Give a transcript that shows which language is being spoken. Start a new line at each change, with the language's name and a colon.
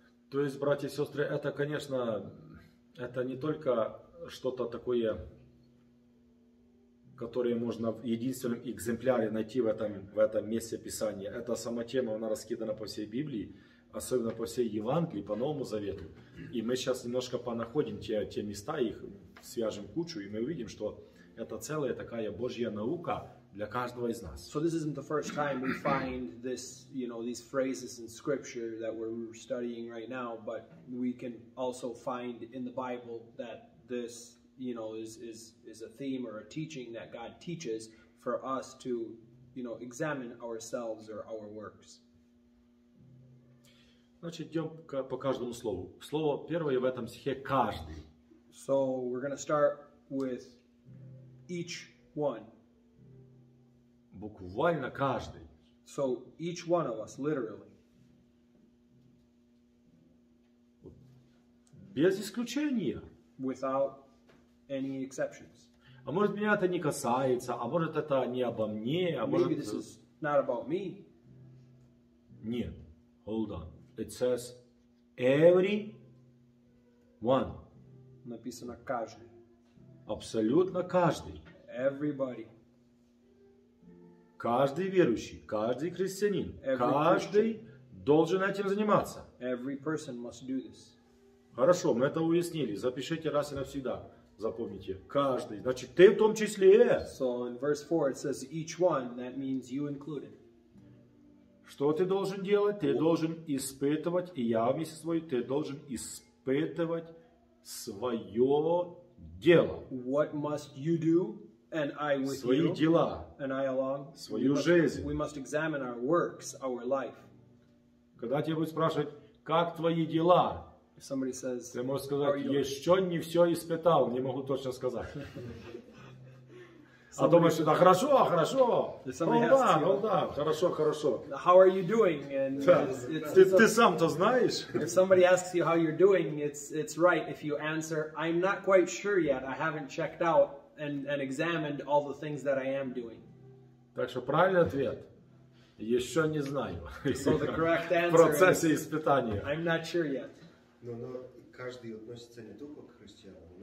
Russian: То есть, братья и сестры, это, конечно, это не только что-то такое, которые можно в единственном экземпляре найти в этом месте Писания. Эта сама тема, она раскидана по всей Библии. Особенно по всей Евангелии, по Новому Завету. И мы сейчас немножко понаходим те места, их свяжем кучу, и мы увидим, что это целая такая Божья наука для каждого из нас.
English: So this isn't the first time we find this, you know, these phrases in Scripture that we're studying right now, but we can also find in the Bible that this, you know, is a theme or a teaching that God teaches for us to, you know, examine ourselves or our works.
Russian: Значит, идем по каждому слову. Слово первое в этом стихе «каждый».
English: So, we're going to start with each one.
Russian: Буквально каждый.
English: So, each one of us, literally.
Russian: Без исключения.
English: Without any exceptions.
Russian: А может, меня это не касается, а может, это не обо мне, а
English: Maybe
Russian: может...
English: Maybe this is not about me.
Russian: Нет.
English: Hold on. It says every one.
Russian: Написано каждый. Абсолютно каждый.
English: Everybody.
Russian: Каждый верующий, каждый христианин,
English: every
Russian: каждый Christian. Должен этим заниматься.
English: Every person must do this.
Russian: Хорошо, мы это уяснили. Запишите раз и навсегда. Запомните. Каждый. Значит, ты в том числе.
English: So in verse 4 it says each one, that means you included.
Russian: Что ты должен делать? Ты должен испытывать, и я вместе с тобой, ты должен испытывать свое дело.
English: What must you do? And I with
Russian: свои
English: you.
Russian: Дела.
English: And I along.
Russian: Свою
English: we must,
Russian: жизнь.
English: We must examine our works, our life.
Russian: Когда тебя будут спрашивать, как твои дела?
English: If somebody says,
Russian: ты можешь сказать, еще не все испытал, не могу точно сказать. А думаешь, да, хорошо, хорошо. Хорошо.
English: How are you doing? And
Russian: ты сам-то знаешь.
English: If somebody asks you how you're doing, it's right if you answer, I'm not quite sure yet. I haven't checked out and examined all the things that I am doing.
Russian: Так что правильный ответ. Еще не знаю.
English: So the correct answer.
Russian: В процессе испытания.
English: I'm not sure yet.
Russian: Но каждый относится не только к христианам.